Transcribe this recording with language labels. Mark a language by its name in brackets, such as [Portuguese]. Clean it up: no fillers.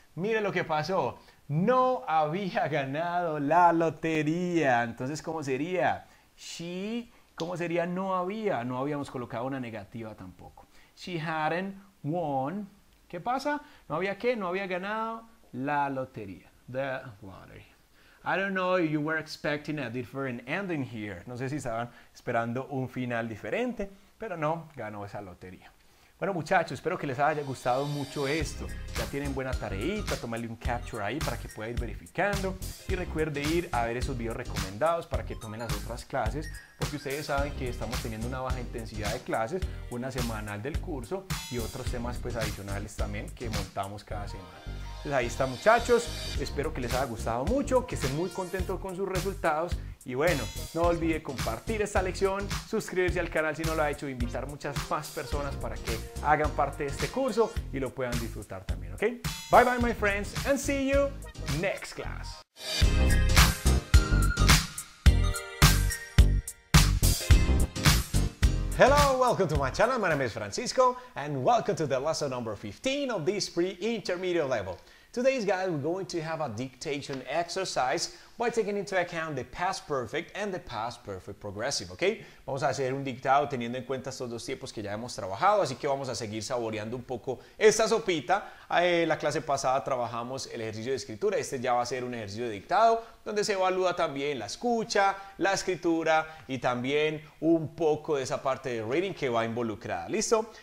[Spanish] Mire lo que pasó. No había ganado la lotería. Entonces, ¿cómo sería? She, ¿cómo sería no había? No habíamos colocado una negativa tampoco. She hadn't won. ¿Qué pasa? No había qué, no había ganado la lotería. [English] The lottery. I don't know if you were expecting a different ending here. [Spanish] No sé si estaban esperando un final diferente, pero no, ganó esa lotería. Bueno, muchachos, espero que les haya gustado mucho esto. Ya tienen buena tareita, tómale un capture ahí para que pueda ir verificando. Y recuerde ir a ver esos videos recomendados para que tomen las otras clases, porque ustedes saben que estamos teniendo una baja intensidad de clases, una semanal del curso y otros temas pues adicionales también que montamos cada semana. Entonces ahí está, muchachos. Espero que les haya gustado mucho, que estén muy contentos con sus resultados. Y bueno, no olvide compartir esta lección, suscribirse al canal si no lo ha hecho, invitar muchas más personas para que hagan parte de este curso y lo puedan disfrutar también, ¿ok? [English] Bye bye, my friends, and see you next class. Hello, welcome to my channel. My name is Francisco, and welcome to the lesson number 15 of this pre-intermedio level. Today's guide, we're going to have a dictation exercise by taking into account the past perfect and the past perfect progressive, ¿ok? [Spanish] Vamos a hacer un dictado teniendo en cuenta estos dos tiempos que ya hemos trabajado, así que vamos a seguir saboreando un poco esta sopita. La clase pasada trabajamos el ejercicio de escritura, este ya va a ser un ejercicio de dictado donde se evalúa también la escucha, la escritura y también un poco de esa parte de reading que va involucrada, ¿listo?